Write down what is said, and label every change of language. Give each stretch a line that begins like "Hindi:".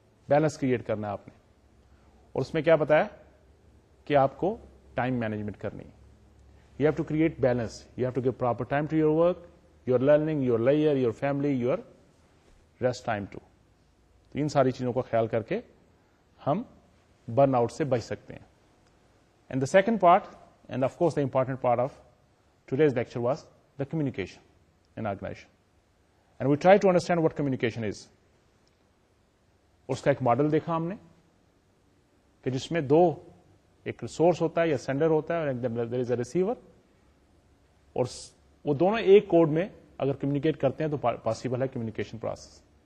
Urdu: Balance create کرنا ہے آپ نے. اور اس میں کیا بتایا کہ آپ کو ٹائم مینجمنٹ کرنی ہے.
English: You have to create balance, you have to give proper time to your work, your learning, your layer, your family, your rest time to.
Urdu: تو ان ساری چیزوں کا خیال کر کے ہم برن آؤٹ سے بچ سکتے ہیں.
English: And the second part, and of course the important part of today's lecture, was the communication in organization. And we try to understand what communication is.
Urdu: اس کا ایک ماڈل دیکھا ہم نے کہ جس میں دو, ایک ریسورس ہوتا ہے یا سینڈر ہوتا ہے, دیر از اے ریسیور, اور وہ دونوں ایک کوڈ میں اگر کمیونیکیٹ کرتے ہیں تو پاسبل ہے کمیونیکیشن پروسیس.